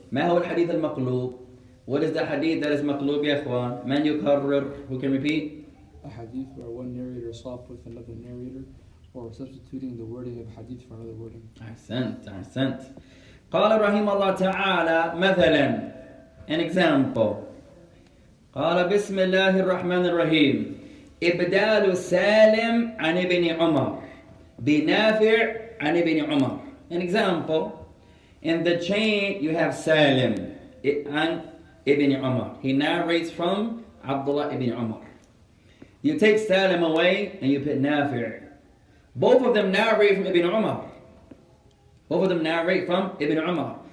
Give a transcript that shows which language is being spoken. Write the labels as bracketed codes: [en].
[ar] ما هو الحديث المقلوب؟ [en] What is the hadith that is مقلوب [ar] يا أخوان؟ من يكرر؟ [en] Who can repeat? A hadith where one narrator swapped with another narrator, or substituting the wording of hadith for another wording. [ar] أحسنت. قال رحم الله تعالى مثلا, [en] an example. [ar] قال بسم الله الرحمن الرحيم إبدال سالم عن ابن عمر بنافع عن ابن عمر. [en] An example. In the chain, you have Salim and Ibn Umar. He narrates from Abdullah Ibn Umar. You take Salim away and you put Nafir. Both of them narrate from Ibn Umar. Both of them narrate from Ibn Umar.